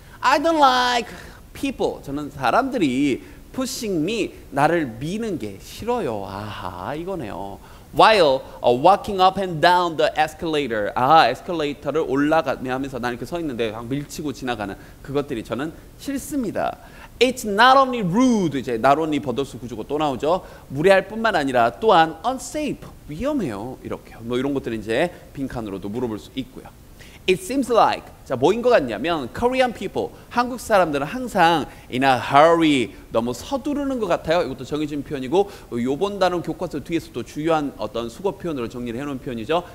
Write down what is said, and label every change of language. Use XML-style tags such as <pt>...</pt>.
<en>I don't like people.</en> <ko>저는 사람들이</ko> <en>pushing me,</en> <ko>나를 미는 게 싫어요. 아하, 이거네요.</ko> <en>While walking up and down the escalator,</en> <ko>에스컬레이터를 올라가며 하면서 나 이렇게 서 있는데 막 밀치고 지나가는 그것들이 저는 싫습니다.</ko> <en>It's not only rude, 이제 not only</en> <ko>버더스 구조고 또 나오죠. 무례할 뿐만 아니라 또한 unsafe, 위험해요. 이렇게 뭐 이런 것들은 이제 빈칸으로도 물어볼 수 있고요.</ko> <en>It seems like,</en> <ko>자 뭐인 것 같냐면</ko> <en>Korean people,</en> <ko>한국 사람들은 항상</ko> <en>in a hurry,</en> <ko>너무 서두르는 것 같아요. 이것도 정해진 표현이고 요번 단어 교과서 뒤에서도 주요한 어떤 수거 표현으로 정리를 해놓은 표현이죠.</ko>